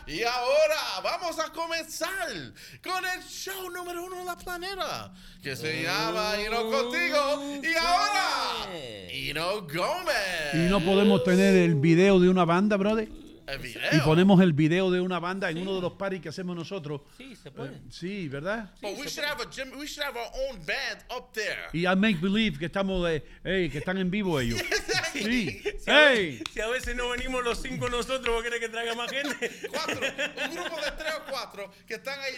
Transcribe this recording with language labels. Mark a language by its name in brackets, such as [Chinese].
[Spanish] Y ahora vamos a comenzar con el show número uno de la planeta, que se llama Ino Contigo. Y ahora, Ino Gomez. ¿Y no podemos tener el video de una banda, brother? ¿El video? Y ponemos el video de una banda en uno de los parties que hacemos nosotros. Sí, se puede. Sí, ¿verdad? [English] But we should have our own band up there. [Spanish] Y [English] I make believe [Spanish] que estamos de, hey, que están en vivo ellos. Sí. Si a veces no venimos los cinco nosotros, ¿vos querés que traiga más gente? Cuatro. Un grupo de tres o cuatro que están ahí.